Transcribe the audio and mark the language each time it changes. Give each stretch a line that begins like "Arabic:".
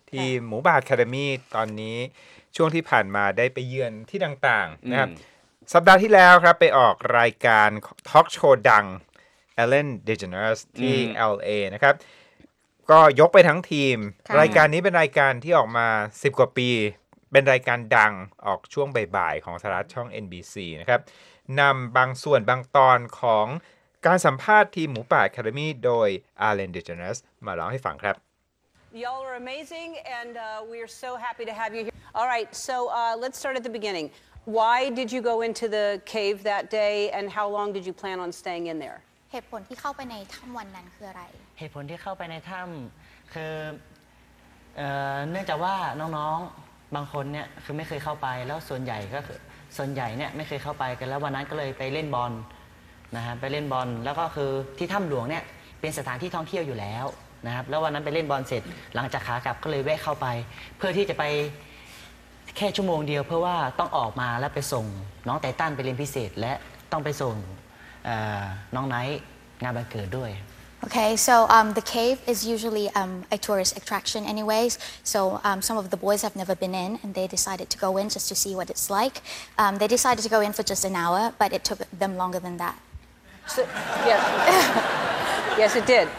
Thai: ทีมหมูป่าอคาเดมี่ตอนนี้ช่วงที่ผ่านมาได้ไปเยือนที่ต่างๆนะครับสัปดาห์ที่แล้วครับไปออกรายการทอล์กโชว์ดัง Ellen DeGeneres ที่ LA นะครับก็ยกไปทั้งทีมรายการนี้เป็นรายการที่ออกมา10กว่าปีเป็นรายการดังออกช่วงบ่ายๆของสารัฐช่อง NBC นะครับนำบางส่วนบางตอนของการสัมภาษณ์ทีมหมูป่าอคาเดมี่โดย Ellen DeGeneres มาเล่าให้ฟังครับ
English: Y'all are amazing and we are so happy to have you here. All right, so let's start at the beginning. Why did you go into the cave that day and how long did you plan on staying in there?
Thai: เหตุผลที่เข้าไปในถ้ำวันนั้นคืออะไร เหตุผลที่เข้าไปในถ้ำคือเนื่องจากว่าน้องๆบางคนเนี่ยคือไม่เคยเข้าไปแล้วส่วนใหญ่ก็คือส่วนใหญ่เนี่ยไม่เคยเข้าไปกันแล้ววันนั้นก็เลยไปเล่นบอลนะฮะไปเล่นบอลแล้วก็คือที่ถ้ำหลวงเนี่ยเป็นสถานที่ท่องเที่ยวอยู่แล้วนะครับแล้ววันนั้นไปเล่นบอลเสร็จหลังจากขากลับก็เลยแวะเข้าไปเพื่อที่จะไปแค่ชั่วโมงเดียวเพื่อว่าต้องออกมาแล้วไปส่งน้องไททันไปเรียนพิเศษและต้องไปส่งน้องไนท์งานวันเกิดด้วย
English: Okay, so the cave is usually a tourist attraction anyways. So some of the boys have never been in and they decided to go in just to see what it's like. They decided to go in for just an hour, but it took them longer than that. So, yes. Yes, it did.